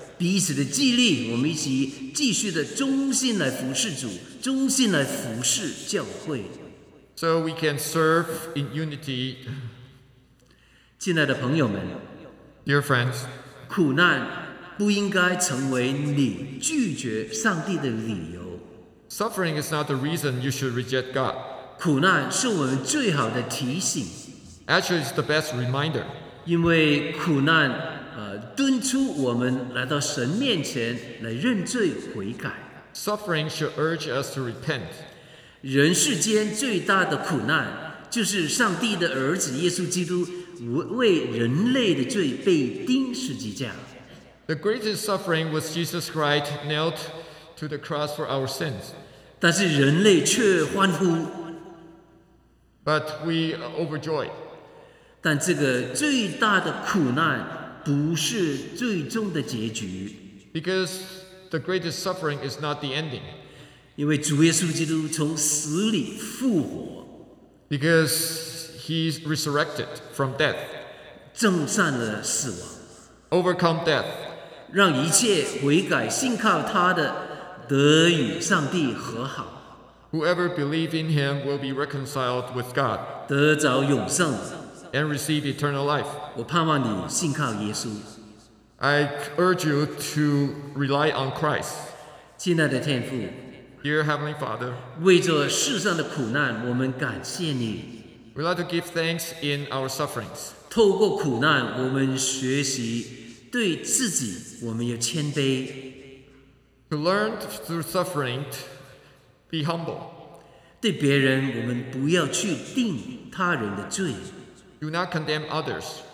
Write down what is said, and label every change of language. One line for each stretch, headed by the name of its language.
Chinese: 彼此的激励，我们一起继续的忠心来服侍主。忠心来服侍教会
English: ，so we can serve in unity.
Chinese: 亲爱的朋友们
English: ，dear friends，
Chinese: 苦难不应该成为你拒绝上帝的理由。
English: Suffering is not the reason you should reject God.
Chinese: 苦难是我们最好的提醒
English: ，actually it's the best reminder.
Chinese: 因为苦难敦促我们来到神面前来认罪悔改。
English: Suffering should urge us to repent.
Chinese: 人世间最大的苦难就是上帝的儿子耶稣基督为人类的罪被钉十字架。
English: The greatest suffering was Jesus Christ nailed to the cross for our sins.
Chinese: 但是人类却欢呼。
English: But we overjoyed.
Chinese: 但这个最大的苦难不是最终的结局。
English: Because the greatest suffering is not the ending.
Chinese: 因为主耶稣基督从死里复活。
English: Because he's resurrected from death.
Chinese: 战胜了死亡。
English: overcome death，
Chinese: 让一切悔改信靠他的得与上帝和好。
English: Whoever believes in him will be reconciled with God，
Chinese: 得着永生。
English: And receive eternal life，
Chinese: 我盼望你信靠耶稣。
English: I urge you to rely on Christ，
Chinese: 亲爱的天父。
English: Dear Heavenly Father，
Chinese: 为着世上的苦难，我们感谢你。
English: We'd like to give thanks in our sufferings。
Chinese: 透过苦难，我们学习对自己，我们要谦卑。
English: To learn through suffering, be humble。
Chinese: 对别人，我们不要去定他人的罪。
English: Do not condemn others。